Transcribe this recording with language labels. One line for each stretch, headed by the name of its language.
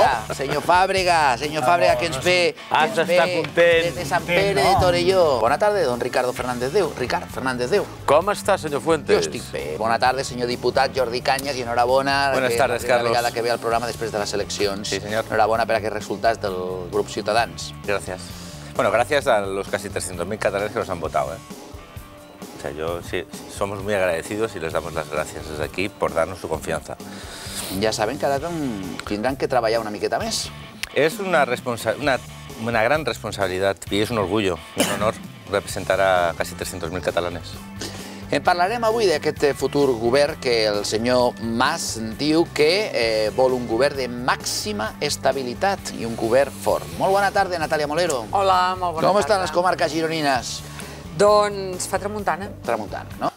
Catalan: Senyor Fàbrega, que ens ve... Has d'estar content. Des de Sant Pere de Torelló. Bona tarda, don Ricardo Fernández Déu. Ricard Fernández Déu. Com està, senyor Fuentes? Jo estic bé. Bona tarda, senyor diputat Jordi Canyes, i enhorabona...
Spanish: Buenas tardes, Carlos.
Catalan: La primera vegada que ve al programa després de les eleccions. Sí, senyor. Enhorabona per aquests resultats del grup Ciutadans. Gràcies.
Spanish: Bueno, gràcies a los casi 300.000 catalans que nos han votado, O sea, yo sí, somos muy agradecidos y les damos las gracias desde aquí por darnos su confianza. Ya saben que ahora tendrán que trabajar
Catalan: una miqueta
Spanish: más. Es una gran responsabilidad y es un orgullo, un honor representar a casi 300.000 catalanes.
Catalan: En parlarem avui d'aquest futur govern que el senyor Mas diu que vol un govern de màxima estabilitat i un govern fort. Molt bona tarda, Natàlia Molero. Hola, molt bona tarda. Com estan les comarques gironines? Doncs fa tramuntana. Tramuntana, no?